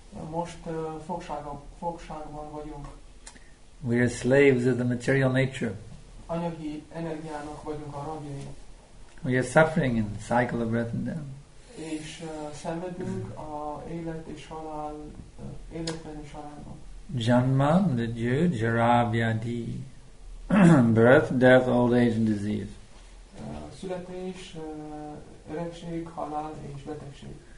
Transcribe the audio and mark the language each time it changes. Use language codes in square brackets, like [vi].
[hu] Most fogságban vagyunk. [en] We are slaves of the material nature. [hu] Anyagi energiának vagyunk a rabjai. [en] We are suffering in the cycle of birth and death. [hu] És szenvedünk a élet és halál életben és halálban. [sa] Janma, mrityu, jara, vyadhi. [en] Birth, death, old age and disease. [hu] Születés, öregség, halál és betegség.